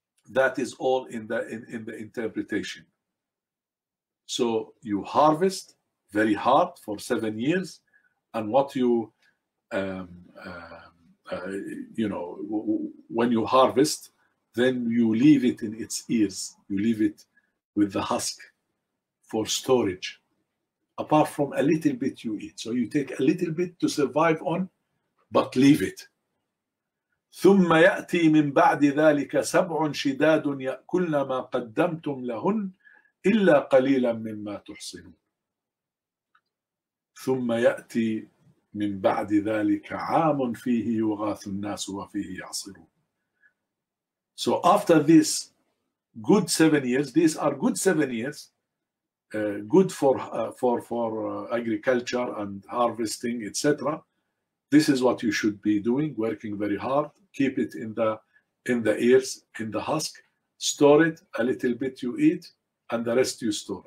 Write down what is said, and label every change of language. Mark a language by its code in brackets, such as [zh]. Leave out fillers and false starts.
[en] That is all in the interpretation. So you harvest very hard for 7 years, and what you when you harvest, then you leave it in its ears, you leave it with the husk for storage, apart from a little bit you eat. So you take a little bit to survive on, but leave it. [ar] ثم يأتي من بعد ذلك سبع شداد يأكلن ما قدمتم لهن إلا قليلا مما تحصنون. ثم يأتي من بعد ذلك عام فيه يغاث الناس وفيه يعصرون. [en] So after this good 7 years, these are good 7 years, good for agriculture and harvesting, etc. This is what you should be doing, working very hard. Keep it in the ears, in the husk, store it, a little bit you eat, and the rest you store.